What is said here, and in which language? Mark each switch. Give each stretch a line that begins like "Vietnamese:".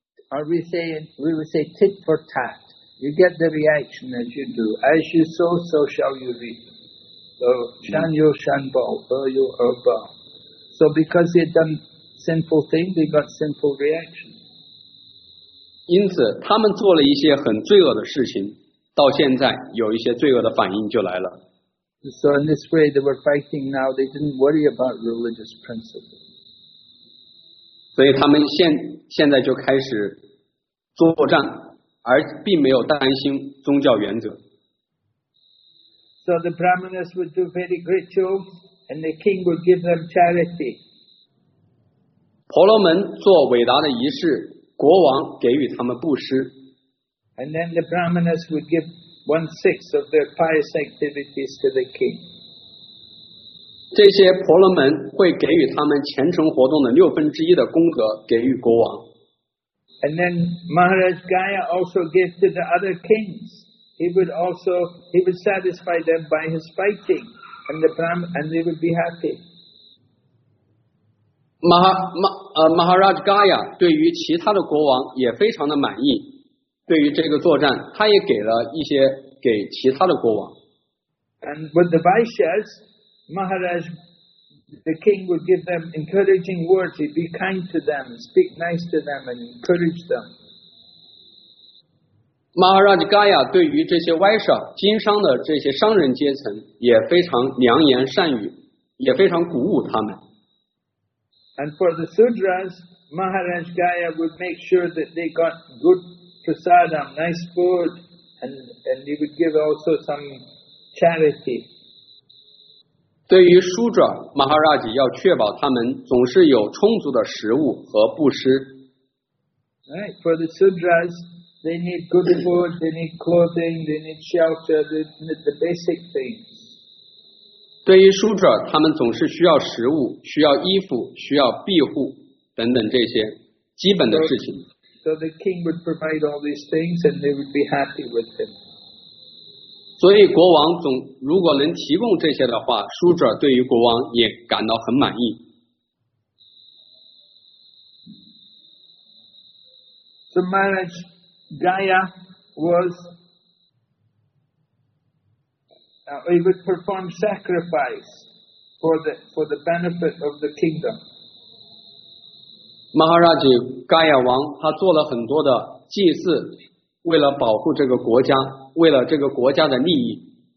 English: Are we saying we would say tit for tat? You get the reaction as you do. As you sow, so shall you reap. So,
Chinese: shanyo shanbao, eyo erbao.
English: So, because they've done sinful things, they got sinful reaction.
Chinese: 因此，他们做了一些很罪恶的事情，到现在有一些罪恶的反应就来了。
English: So, in this way, they were fighting now. They didn't worry about religious principles.
Chinese: 所以他们现在就开始作战。而并没有担心宗教原则。
English: So the Brahmanas would do very great jobs, and the king would give them charity.
Chinese: 婆罗门做伟大的仪式，国王给予他们布施。
English: And then the Brahmanas would give 1/6 of their pious activities to the king.
Chinese: 这些婆罗门会给予他们虔诚活动的六分之一的功德给予国王。
English: And then Maharaj Gaya also gave to the other kings. He would satisfy them by his fighting, and they would be happy.
Chinese: Maharaj Gaya 对于其他的国王也非常的满意。对于这个作战，他也给了一些给其他的国王。
English: And with the Vaishyas, The king would give them encouraging words. He'd be kind to them, speak nice to them, and encourage them.
Chinese: Maharaj Gaya 对于这些歪商、经商的这些商人阶层也非常良言善语，也非常鼓舞他们。
English: And for the Sudras, Maharaj Gaya would make sure that they got good prasadam, nice food, and he would give also some charity.
Chinese: 对于书者马哈拉吉要确保他们总是有充足的食物和布施。
English: Right, for the sudras, they need good food, they need clothing, they need shelter, they need the basic things.
Chinese: 对于书者他们总是需要食物，需要衣服，需要庇护等等这些基本的事情。
English: So the king would provide all these things and they would be happy with him.
Chinese: 所以国王总如果能提供这些的话，书者对于国王也感到很满意。
English: So Maharaj Gaya was, he would perform sacrifice for the benefit of the kingdom.
Chinese: Maharaj Gaya 王他做了很多的祭祀，为了保护这个国家。为了这个国家的利益。